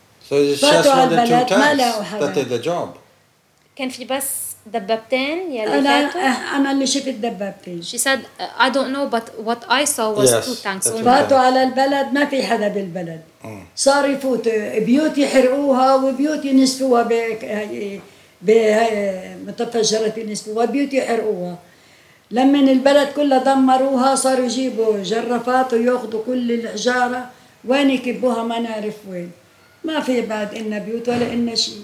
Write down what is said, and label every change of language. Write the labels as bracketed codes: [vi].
[en] So it's just one of the two tanks that did the job. [ar] كان في بس دبابتين يلي فاتوا؟ أنا اللي شفت دبابتين. [en] She said, I don't know, but what I saw was two tanks. [ar] فاتوا على البلد ما في حدا بالبلد. صار يفوت بيوت يحرقوها وبيوت ينسفوها بمتفجرات ينسفوها بيوت يحرقوها لما البلد كلها دمروها صاروا يجيبوا جرافات وياخذوا كل الحجارة وين يكبوها ما نعرف وين ما في بعد إنا بيوت ولا إنا شيء